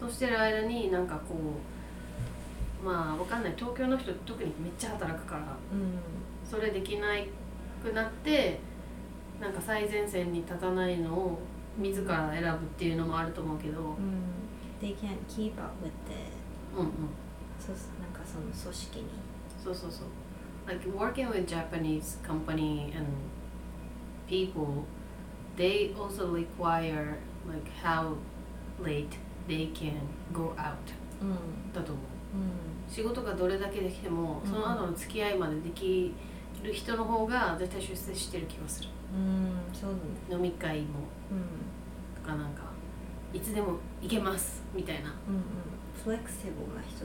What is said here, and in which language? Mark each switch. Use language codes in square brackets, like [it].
[ja] そうしてる間になんかこう、まあわかんない、東京の人特にめっちゃ働くから、うん、それできなくなってなんか最前線に立たないのを自ら選ぶっていうのもあると思うけど、 [en] うん、They can't keep up with the、 [ja] うんうん、そうなんかその組織に、 [en] そうそうそう、 Like working with Japanese company and people, they also require like how lateThey can go out、 [ja] うん、だと思う、うん、仕事がどれだけできても、うん、その後の付き合いまでできる人の方が絶対出世してる気がする、うん、そうだね、飲み会も、うん、とかなんかいつでも行けますみたいな、うんうん、フレクシブルな人